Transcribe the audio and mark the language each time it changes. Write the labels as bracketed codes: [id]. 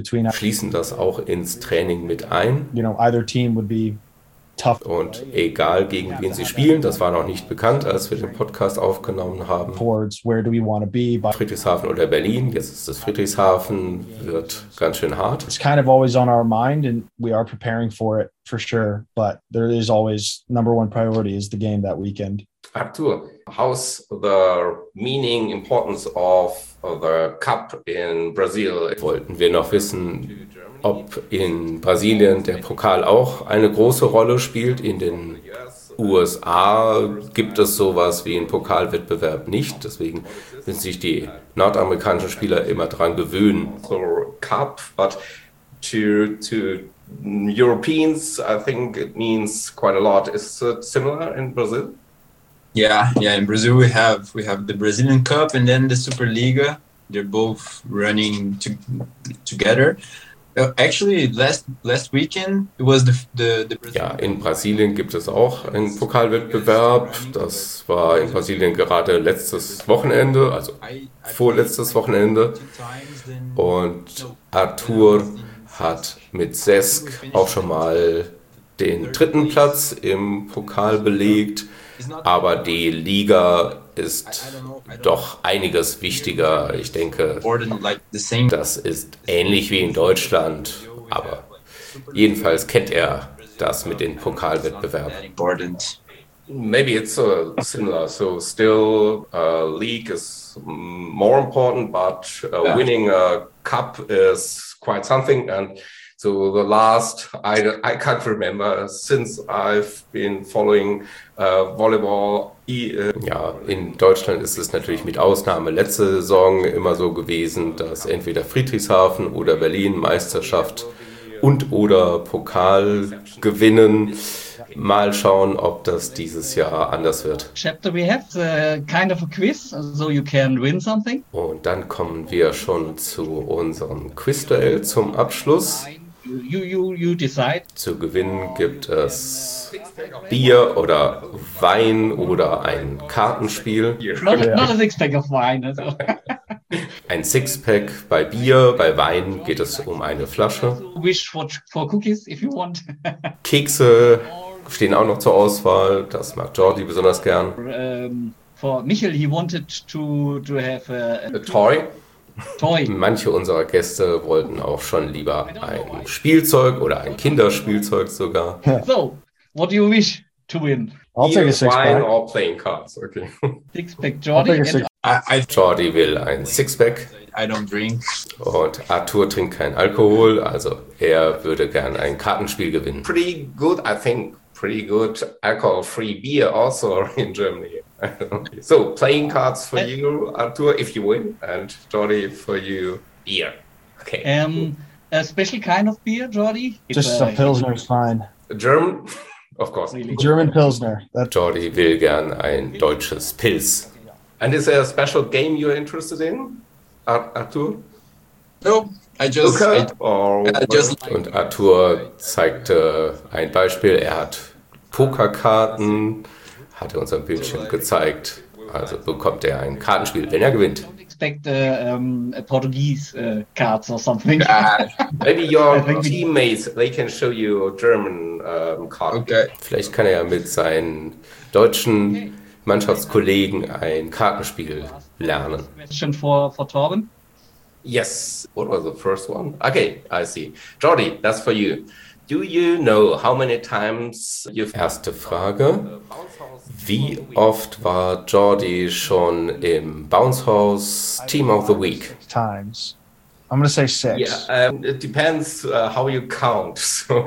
[de] Sie schließen das auch ins Training mit ein. [en] You know, either team would be tough. [de] Und egal gegen wen sie spielen, das war noch nicht bekannt, als wir den Podcast aufgenommen haben. Friedrichshafen oder Berlin, jetzt ist es Friedrichshafen, wird ganz schön hart. [en] It's kind of always on our mind and we are preparing for it for sure, but there is always number one priority is the game that weekend. Arthur, how's the meaning importance of the cup in Brazil? [de] Wollten wir noch wissen, ob in Brasilien der Pokal auch eine große Rolle spielt. In den USA gibt es sowas wie einen Pokalwettbewerb nicht. Deswegen müssen sich die nordamerikanischen Spieler immer dran gewöhnen. [en] So Cup, but to Europeans, I think it means quite a lot. Is it similar in Brazil? Yeah. In Brazil we have the Brazilian Cup and then the Superliga. They're both running together. Actually, last weekend it was the Brazilian. [de] Ja, in Brasilien gibt es auch einen Pokalwettbewerb. Das war in Brasilien gerade letztes Wochenende, also vorletztes Wochenende. Und Arthur hat mit Cesc auch schon mal den dritten Platz im Pokal belegt, aber die Liga ist doch einiges wichtiger. Ich denke, das ist ähnlich wie in Deutschland, aber jedenfalls kennt er das mit den Pokalwettbewerben. [en] Maybe it's similar. So still, league is more important, but winning a cup is quite something. And so the last, I can't remember, since I've been following volleyball. [de] Ja, in Deutschland ist es natürlich mit Ausnahme letzte Saison immer so gewesen, dass entweder Friedrichshafen oder Berlin Meisterschaft und oder Pokal gewinnen. Mal schauen, ob das dieses Jahr anders wird. [en] Chapter we have the kind of a quiz, so you can win something. [de] Und dann kommen wir schon zu unserem Quizduell zum Abschluss. [en] You decide. [de] Zu gewinnen gibt es Bier oder Wein oder ein Kartenspiel. [en] Not a six-pack of wine. [de] Ein Sixpack bei Bier, bei Wein geht es um eine Flasche. [en] Wish for cookies, if you want. [de] Kekse stehen auch noch zur Auswahl, das mag Jordi besonders gern. [en] For Michael, he wanted to have a toy. Toy. [de] Manche unserer Gäste wollten auch schon lieber ein Spielzeug oder ein Kinderspielzeug sogar. [en] So, what do you wish to win? I'll take a six-pack. Wine or playing cards, okay. Sixpack, Jordi. [de] Jordi will ein Sixpack. [en] I don't drink. [de] Und Arthur trinkt keinen Alkohol, also er würde gern ein Kartenspiel gewinnen. [en] Pretty good, I think. Pretty good alcohol-free beer also in Germany. So, playing cards for you, Arthur, if you win, and Jordi for you, beer. Okay. A special kind of beer, Jordi? Just a Pilsner is fine. A German? Of course. Really? German Pilsner. [de] Jordi will gern ein deutsches Pils. [en] And is there a special game you're interested in, Arthur? No. [de] Und Arthur zeigte ein Beispiel. Er hat Pokerkarten, hatte uns am Bildschirm gezeigt. Also bekommt er ein Kartenspiel, wenn er gewinnt. [en] Expect Portuguese cards or something. Maybe your teammates, they can show you German cards. Okay. [de] Vielleicht kann er ja mit seinen deutschen Mannschaftskollegen ein Kartenspiel lernen. [en] Question for Torben. Yes. What was the first one? Okay, I see. Jordi, that's for you. Do you know how many times you've... [de] Erste Frage. Wie oft war Jordi schon im Bounce House Team of the Week? [en] Times. I'm going to say six. Yeah, it depends how you count.